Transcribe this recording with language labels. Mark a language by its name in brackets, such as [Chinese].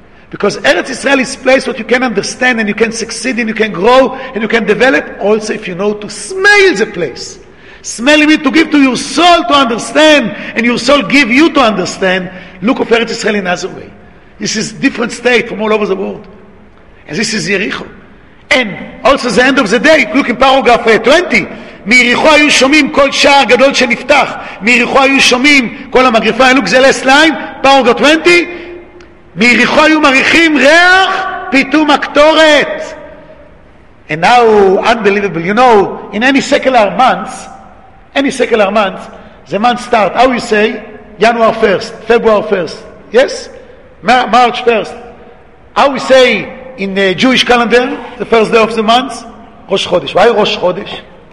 [English] Because Eretz Israel is a place what you can understand and you can succeed and you can grow and you can develop also if you know to smell the place. Smelling it to give to your soul to understand, and your soul give you to understand. Look of Eretz Israel in another way. This is different state from all over the world. And this is Yericho. And also the end of the day, look in paragraph 20. [Hebrew] מיריחו היו שומעים כל שער גדול שנפתח. מיריחו היו שומעים כל המגריפה. [English] And look the last line, paragraph 20. [Hebrew] מיריחו היו מריחים ריח פתאום הקטורת. [English] And now, unbelievable. You know, in any secular months, any secular month, the month start, how you say, January 1st, February 1st, yes? March 1st. How we say in the Jewish calendar, the first day of the month, Rosh Chodesh. Why Rosh Chodesh?